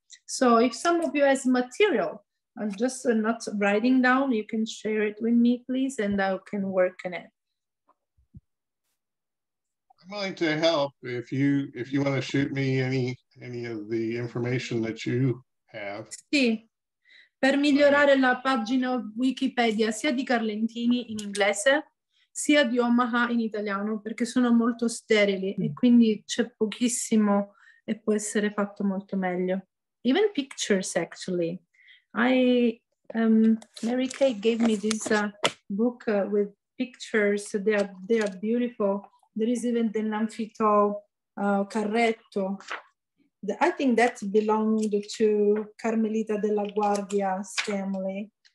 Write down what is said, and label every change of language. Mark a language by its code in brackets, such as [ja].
[en] So if some of you has material, I'm just not writing down, you can share it with me, please, and I can work on it. I'm willing to help if you want to shoot me any of the information that you have. See, [it] per migliorare la pagina Wikipedia sia di Carlentini in inglese sia di Omaha in italiano, perché sono molto sterili e quindi c'è pochissimo e può essere fatto molto meglio. [en] Even pictures, actually. Mary Kay gave me this book with pictures. They are beautiful. There is even the Nanfito Carretto. I think that belonged to Carmelita della Guardia's family.